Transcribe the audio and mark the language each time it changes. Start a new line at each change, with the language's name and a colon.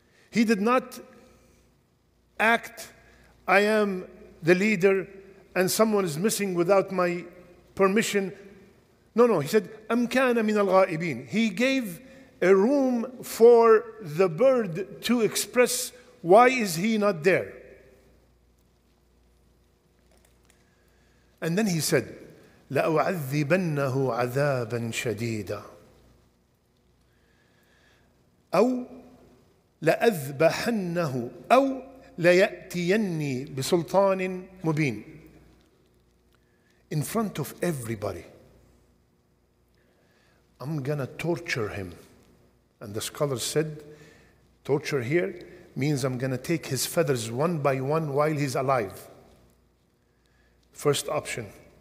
English: He did not act, I am the leader and someone is missing without my permission. No, no, he said,
Arabic: أَمْ كَانَ مِنَ الْغَائِبِينَ.
English: He gave a room for the bird to express why is he not there. And then he said,
Arabic: لَأُعَذِّبَنَّهُ عَذَابًا شَدِيدًا أو لأذبحنه أو ليأتيني بسلطان مبين.
English: In front of everybody, I'm gonna torture him. And the scholars said, torture here means I'm gonna take his feathers one by one while he's alive. First option.